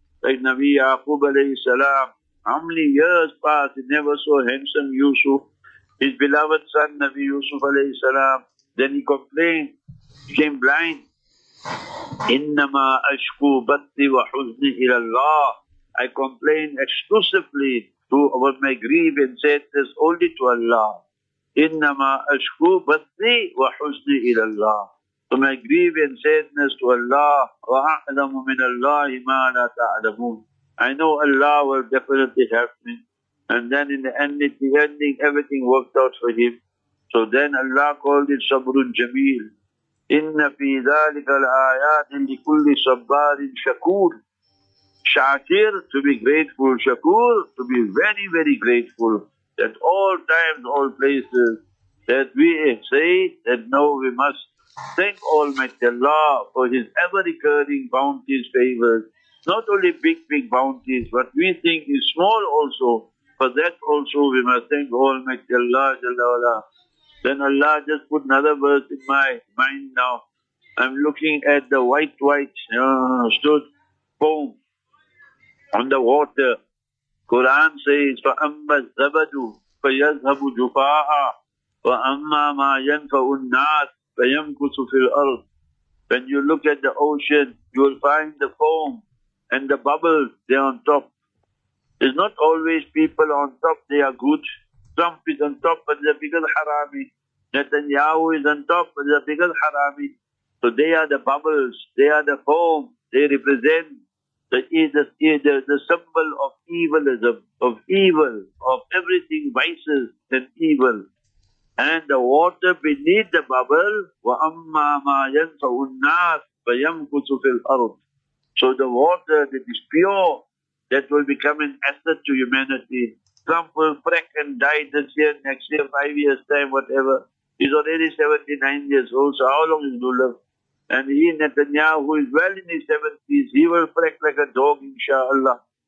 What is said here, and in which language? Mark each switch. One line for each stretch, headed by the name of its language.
English: Like Nabi Yaqub alayhi salam, how many years passed, he never saw handsome Yusuf, his beloved son Nabi Yusuf alayhi salam. Then he complained, became blind.
Arabic: Innama ashku batti wa huzni ilallah.
English: I complain exclusively to about my grief and sadness only to Allah.
Arabic: إِنَّمَا أَشْكُو بَثِّي وَحُزْنِ إِلَى اللَّهِ.
English: So my grief and sadness to Allah,
Arabic: وَأَعْلَمُ مِنَ اللَّهِ مَا لَا تَعْلَمُونَ.
English: I know Allah will definitely help me. And then in the end, at the ending, everything worked out for him. So then Allah called it Sabrun Jameel.
Arabic: Inna fi dhalika al-ayatin li kulli sabbarin shakur.
English: Shakir, to be grateful. Shakur, to be very, very grateful. That all times, all places, that we say that now we must thank Almighty Allah for His ever-recurring bounties, favors. Not only big, big bounties, but we think is small also. For that also we must thank Almighty Allah, Jalla Wala. Then Allah just put another verse in my mind now. I'm looking at the white stood foam on the water. Quran says,
Arabic: فَأَمَّا الزَّبَدُ فَيَذْهَبُ جُفَاءً وَأَمَّا مَا يَنْفَعُ النَّاسِ فَيَمْكُسُ فِي الْأَرْضِ.
English: When you look at the ocean, you will find the foam and the bubbles there on top. It's not always people on top, they are good. Trump is on top, but they are bigger harami. Netanyahu is on top, but they are bigger harami. So they are the bubbles, they are the foam, they represent the symbol of evilism, of evil, of everything, vices and evil. And the water beneath the bubble,
Arabic: وَأَمَّا مَا يَنْفَعُ النَّاسِ فَيَمْكُسُ فِي الْأَرْضِ.
English: So the water that is pure, that will become an asset to humanity. Trump will freak and die this year, next year, 5 years time, whatever. He's already 79 years old, so how long is he to live? And he, Netanyahu, who is well in his 70s, he will freak like a dog, inshallah.